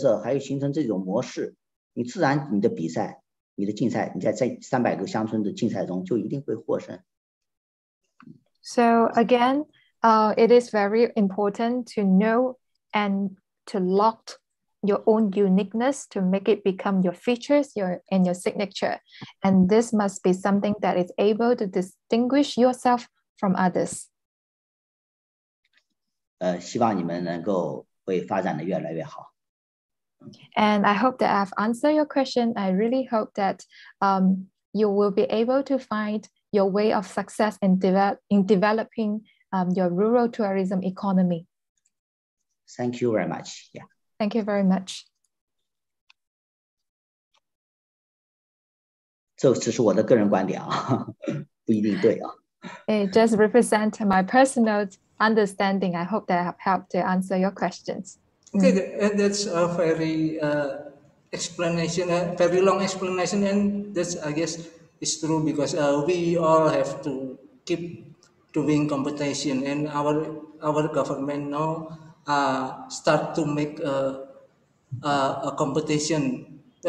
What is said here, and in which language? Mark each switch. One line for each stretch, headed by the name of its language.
Chinese: 最后呢，就说啊，当地的特色是很重要，但是别的村也会有当地的特色啊，所以你把当地的特色发展成一种model，这样的话，你就跟别人别的村、别的乡村就不一样了，人无我有，人有我精嘛，是吧？这样你形成了不光有当地的特色，还有形成这种模式，你自然你的比赛。
English: So again, it is very important to know and to lock your own uniqueness to make it become your features, and your signature. And this must be something that is able to distinguish yourself from others.
Chinese: 希望你们能够会发展的越来越好。
English: And I hope that I've answered your question. I really hope that you will be able to find your way of success in developing your rural tourism economy. Thank you very much. Yeah. Thank you very much.
Chinese: 这只是我的个人观点啊，不一定对啊。
English: It just represents my personal understanding. I hope that I have helped to answer your questions. Okay, that's a very explanation, a very long explanation, and that's, I guess, is true because we all have to keep doing competition, and our government now start to make a competition.